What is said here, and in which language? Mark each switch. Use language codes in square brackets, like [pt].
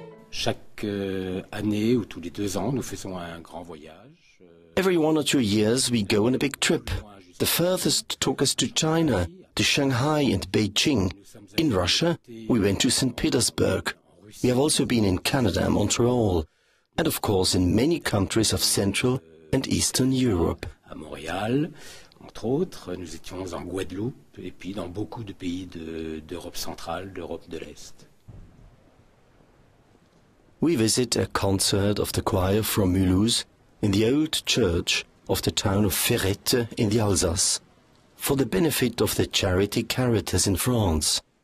[fr] Chaque année ou tous les deux ans, nous faisons un grand voyage. [en] Every one or two years, we go on a big trip. The furthest took us to China, to Shanghai and Beijing. In Russia, we went to St. Petersburg. We have also been in Canada, Montreal, and of course in many countries of Central and Eastern Europe. [fr] À Montréal, entre autres, nous étions en Guadeloupe et puis dans beaucoup de pays d'Europe centrale, d'Europe de l'Est. [en] We visit a concert of the choir from Mulhouse in the old church of the town of Ferrette in the Alsace, for the benefit of the charity Caritas in France.